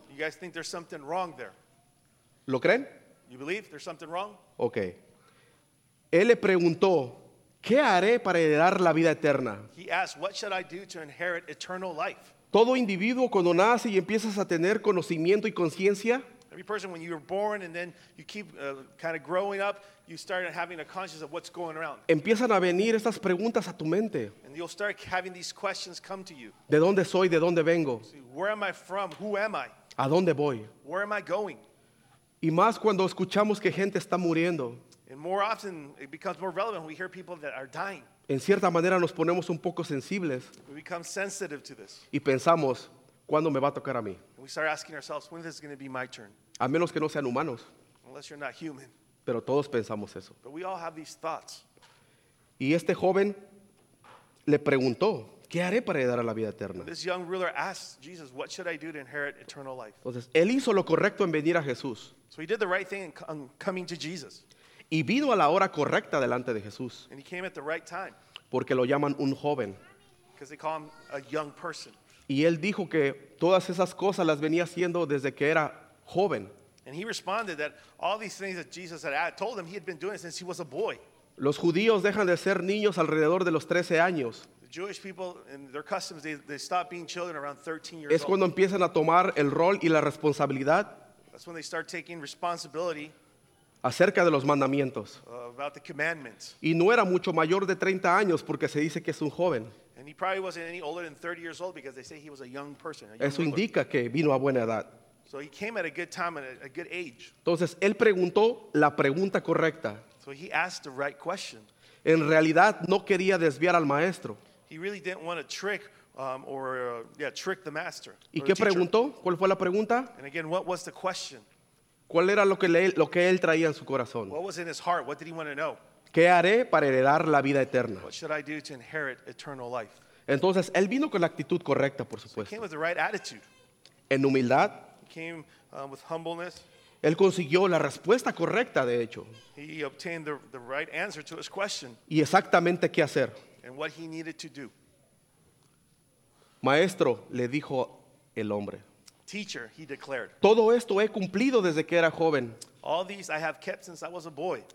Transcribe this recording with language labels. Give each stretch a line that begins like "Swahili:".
English: You guys think there's something wrong there.
Spanish: ¿Lo creen?
English: You believe there's something wrong? Okay.
Spanish: Él le preguntó, ¿qué haré para heredar la vida eterna?
English: He asked, what should I do to inherit eternal life?
Spanish: Todo individuo cuando nace y empiezas a tener conocimiento y conciencia,
English: every person, when you were born and then you keep kind of growing up, you start having a conscience of what's going around.
Spanish: Empiezan a venir estas preguntas a tu mente.
English: And you'll start having these questions come to you.
Spanish: ¿De dónde soy? ¿De dónde vengo?
English: See, where am I from? Who am I?
Spanish: ¿A dónde voy?
English: Where am I going?
Spanish: Y más cuando escuchamos que gente está muriendo.
English: And more often, it becomes more relevant when we hear people that are dying.
Spanish: En cierta manera, nos ponemos un poco sensibles.
English: We become sensitive to this.
Spanish: Y pensamos, ¿cuándo me va a tocar a mí?
English: And we start asking ourselves, when is this going to be my turn?
Spanish: A menos que no sean humanos.
English: Unless you're not human.
Spanish: Pero todos pensamos eso.
English: But we all have these thoughts.
Spanish: Y este joven le preguntó, ¿qué haré para heredar la vida eterna?
English: This young ruler asked Jesus, what should I do to inherit eternal life?
Spanish: Entonces, él hizo lo correcto en venir a Jesús.
English: So he did the right thing in coming to Jesus.
Spanish: Y vino a la hora correcta delante de Jesús.
English: And he came at the right time.
Spanish: Porque lo llaman un joven.
English: Because they call him a young person.
Spanish: Y él dijo que todas esas cosas las venía haciendo desde que era joven.
English: And he responded that all these things that Jesus had told him, he had been doing since he was a boy.
Spanish: Los judíos dejan de ser niños alrededor de los 13 años.
English: Jewish people and their customs, they stop being children around 13 years old.
Spanish: Es cuando empiezan a tomar el rol y la responsabilidad.
English: That's when they start taking responsibility.
Spanish: Acerca de los mandamientos.
English: About the commandments.
Spanish: Y no era mucho mayor de 30 años porque se dice que es un joven.
English: And he probably wasn't any older than 30 years old because they say he was a young person.
Spanish: Eso indica que vino a buena edad.
English: So he came at a good time and a good age.
Spanish: Entonces él preguntó la pregunta correcta.
English: So he asked the right question.
Spanish: En realidad no quería desviar al maestro.
English: He really didn't want to trick trick the master.
Spanish: ¿Y qué preguntó? ¿Cuál fue la pregunta?
English: And again, what was the question?
Spanish: ¿Cuál era lo que él traía en su corazón?
English: What was in his heart? What did he want to know?
Spanish: ¿Qué haré para heredar la vida eterna?
English: What should I do to inherit eternal life?
Spanish: Entonces él vino con la actitud correcta, por supuesto.
English: So he came with the right attitude.
Spanish: En humildad.
English: He came with humbleness.
Spanish: Él consiguió la respuesta correcta, de hecho.
English: He obtained the right answer to his question.
Spanish: Y exactamente qué hacer.
English: And what he needed to do.
Spanish: Maestro, le dijo el hombre.
English: Teacher, he declared.
Spanish: Todo esto he cumplido desde que era joven.
English: All these I have kept since I was a boy.